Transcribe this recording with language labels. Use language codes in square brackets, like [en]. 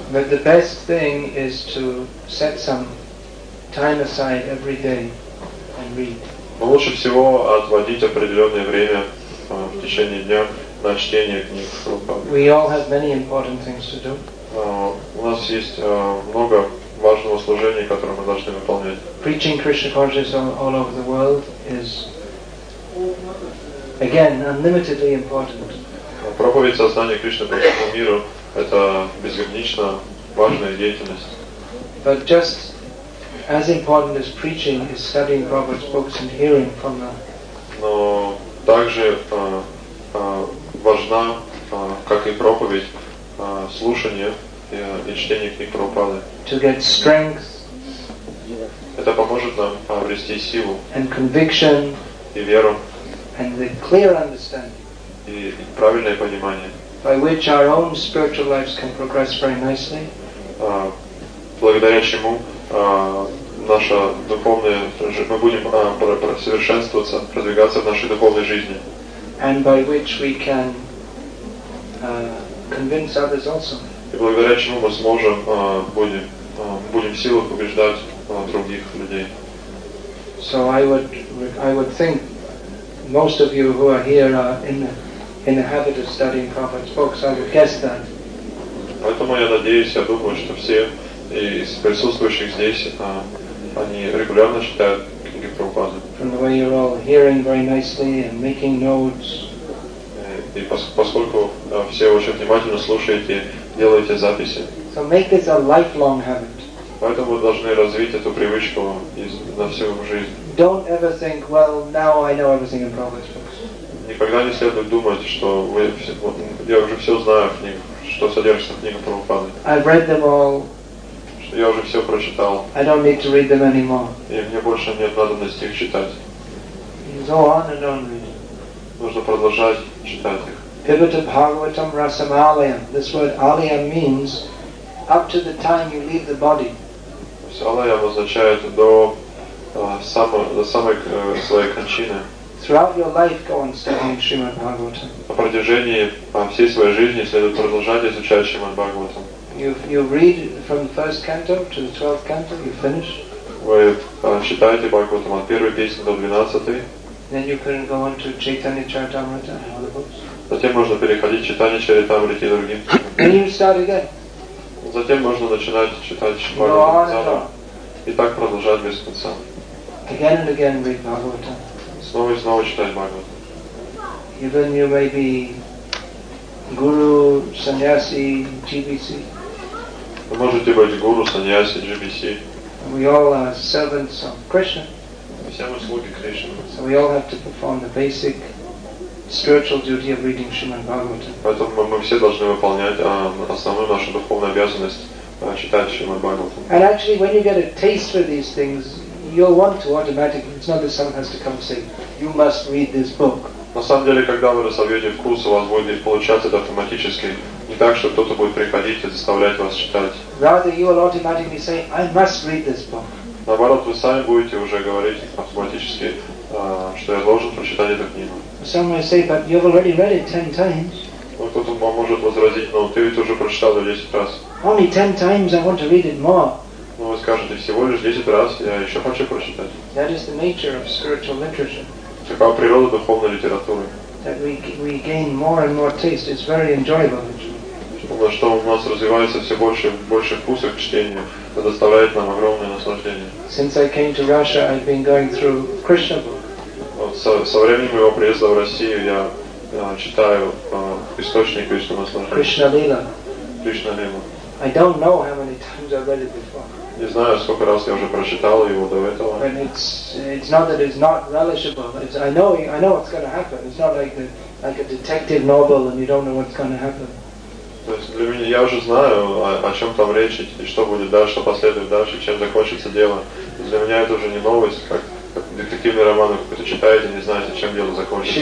[en] But the best thing is to set some time aside every day and read. [ru] Но лучше всего отводить определенное время в течение дня на чтение книг Прабхупады. [en] We all have many important things to do. [ru] У нас есть много важного служения, которое мы должны выполнять. [en] Preaching Krishna consciousness all over the world is again unlimitedly important. [ru] Проповедь сознания Кришны по всему миру — это безгранично важная деятельность. [en] But just as important as preaching is studying Prabhupada's books and hearing from them. [ru] Но также важна, как и проповедь, слушание и чтение книг Прабхупады. [en] To get strength. [ru] Это поможет нам обрести силу. [en] And conviction. [ru] И веру. [en] And the clear understanding. [ru] И правильное понимание. [en] By which our own spiritual lives can progress very nicely. [ru] Благодаря чему наша духовная, мы будем совершенствоваться, продвигаться в нашей духовной жизни. [en] and by which we can convince others also. [ru] И благодаря чему мы сможем будем в силах убеждать других людей. [en] So I would think most of you who are here are in the habit of studying Prabhupada's books. I would guess that. [ru] Поэтому я надеюсь, я думаю, что все из присутствующих здесь они регулярно читают книги Прабхупады. [en] From the way you're all hearing very nicely and making notes. [ru] И поскольку все очень внимательно слушаете, делаете записи. [en] So make this a lifelong habit. [ru] Поэтому вы должны развить эту привычку на всю жизнь. [en] Don't ever think, well, now I know everything in Prabhupada's books. [ru] Никогда не следует думать, что вы все, вот, я уже все знаю в них, что содержится в книгах Прабхупады. [en] I've read them all. [ru] Что я уже все прочитал. [en] I don't need to read them anymore. [ru] И мне больше нет надобности их читать. [en] Go on and on reading. [ru] Нужно продолжать читать их. [sa] Pivata Bhagavatam Rasam Aliyam. [en] This word Aliyam means up to the time you leave the body. [ru] Aliyam означает до самой своей кончины. [en] Throughout your life, go on studying Srimad Bhagavatam. [ru] На протяжении всей своей жизни следует продолжать изучать Srimad Bhagavatam. [en] You read from the first canto to the 12th canto, you finish. [ru] Вы читаете Бхагаватам от первой песни до 12-й. [en] Then you can go on to Chaitanya Charitamrita and other books. [ru] Затем можно переходить читать Чаритамриту и другим. [en] Then you start again. [ru] Затем можно начинать читать Бхагаватам и так продолжать без конца. [en] Again and again read Бхагаватам. [ru] Снова и снова читать Бхагаватам. [en] Even you may be guru, sannyasi, GBC. [ru] Вы можете быть гуру, sannyasi, GBC. [en] We all are servants of Krishna. [ru] Все мы слуги Кришны. [en] So we all have to perform the basic spiritual duty of reading Srimad Bhagavatam. [ru] Поэтому мы все должны выполнять основную нашу духовную обязанность читать Srimad Bhagavatam. [en] And actually, when you get a taste for these things, you'll want to automatically. It's not that someone has to come and say, "You must read this book." [ru] На самом деле, когда вы разовьете вкус, у вас будет получаться это автоматически. Не так, что кто-то будет приходить и заставлять вас читать. [en] Rather, you will automatically say, "I must read this book." [ru] Наоборот, вы сами будете уже говорить автоматически, что я должен прочитать эту книгу. [en] Some may say, but you've already read it 10 times. [ru] Кто-то вам может возразить, но ты ведь уже прочитал ее 10 раз. [en] Only 10 times, I want to read it more. [ru] Но вы скажете, всего лишь 10 раз, я еще хочу прочитать. [en] That is the nature of spiritual literature. [ru] Такова природа духовной литературы. [en] That we gain more and more taste. It's very enjoyable, actually. [ru] Что у нас развивается все больше и больше вкусов к чтению, это доставляет нам огромное наслаждение. [en] Since I came to Russia, I've been going through Krishna books. [ru] Со временем моего приезда в Россию я читаю источник Кришна наслаждения. Кришна Лила. [en] I don't know how many times I've read it before. [ru] Не знаю, сколько раз я уже прочитал его до этого. [en] And it's not that it's not relishable, but it's, I know what's going to happen. It's not like a detective novel and you don't know what's going to happen. [ru] То есть для меня, я уже знаю, о чем там речь и что будет дальше, что последует дальше, чем закончится дело. Для меня это уже не новость, как детективные романы, какой-то читаете, не знаете, чем дело закончится.